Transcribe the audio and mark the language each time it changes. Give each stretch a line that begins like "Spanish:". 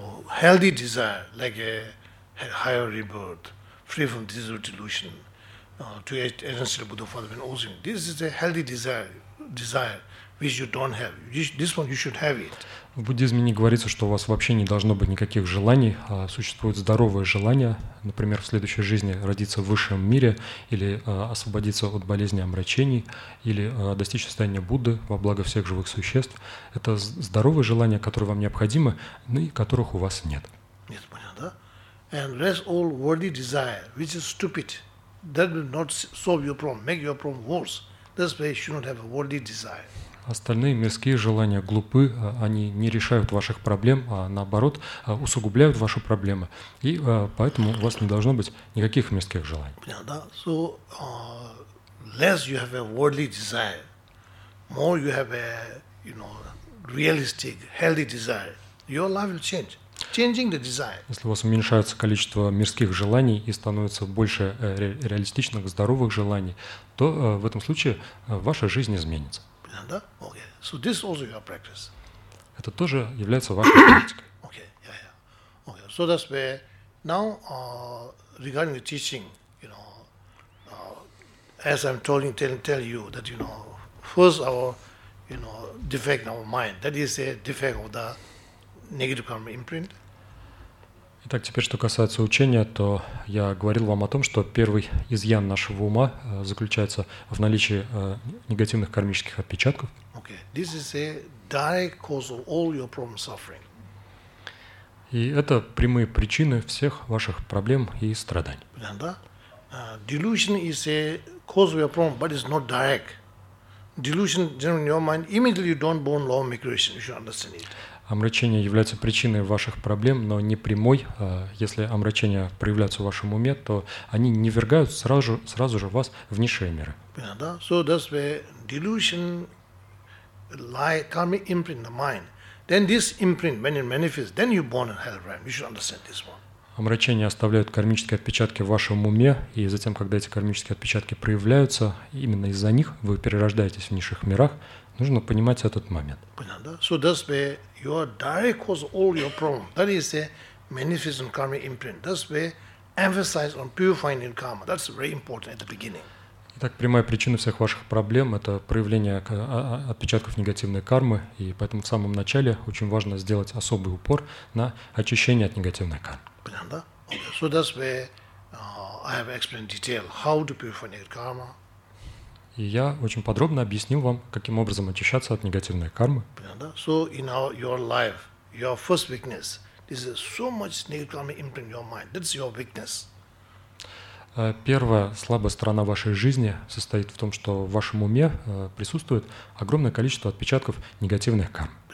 English: Healthy desire, like a higher rebirth, free from disease or delusion, to enter the Buddha Father and also. This is a healthy desire which you don't have. This one you should have it.
Russian: В буддизме не говорится, что у вас вообще не должно быть никаких желаний, а существует здоровое желание, например, в следующей жизни родиться в высшем мире или освободиться от болезни омрачений или достичь состояния Будды во благо всех живых существ. Это здоровое желание, которое вам необходимо, но и которых у вас нет. Нет, понятно, да?
English: And rest all worldly desire, which is stupid. That will not solve your problem, make your problem worse. That's why you shouldn't have a worldly desire.
Russian: Остальные мирские желания глупы, они не решают ваших проблем, а наоборот, усугубляют ваши проблемы. И поэтому у вас не должно быть никаких мирских желаний.
English: Yeah,
Russian: да.
English: So, less you have a worldly desire, more you have a, realistic, healthy desire, your life will change. Changing the desire.
Russian: Если у вас уменьшается количество мирских желаний и становится больше реалистичных, здоровых желаний, то в этом случае ваша жизнь изменится. Да?
English: Okay. So this also your practice.
Russian: Это тоже является вашей практикой.
English: Okay. Yeah, yeah. Okay. So that's where now regarding the teaching, as I'm telling you that first our defect in our mind, that is a defect of the negative karma imprint.
Russian: Итак, теперь, что касается учения, то я говорил вам о том, что первый изъян нашего ума заключается в наличии негативных кармических отпечатков.
English: Okay. This is a direct cause of all your problem suffering.
Russian: И это прямые причины всех ваших проблем и страданий.
English: Delusion is a cause of your problem, but it's not direct. Delusion generally in your mind, immediately you don't born law of migration, you should understand it.
Russian: Омрачение является причиной ваших проблем, но не прямой. Если омрачения проявляются в вашем уме, то они не ввергают сразу же вас в низшие миры.
English: So that's where delusion lie karmic imprint in the mind. Then this imprint, when it manifests, then you born in hell realm. You should understand this one.
Russian: Омрачения оставляют кармические отпечатки в вашем уме, и затем, когда эти кармические отпечатки проявляются, именно из-за них вы перерождаетесь в низших мирах. Нужно понимать этот момент.
English: So that's where your direct cause of all your problems. That is the manifest and karmic imprint. That's where emphasize on purifying karma. That's very important at the beginning.
Russian: Итак, прямая причина всех ваших проблем – это проявление отпечатков негативной кармы, и поэтому в самом начале очень важно сделать особый упор на очищение от негативной кармы. Понятно?
English: Okay. So that's where I have explained detail how to purify negative karma.
Russian: И я очень подробно объяснил вам, каким образом очищаться от негативной кармы. Понятно?
English: So in your life, your first weakness, this is so much negative karma imprint in your mind. That's your weakness.
Russian: Первая слабая сторона вашей жизни состоит в том, что в вашем уме присутствует огромное количество отпечатков негативных карм.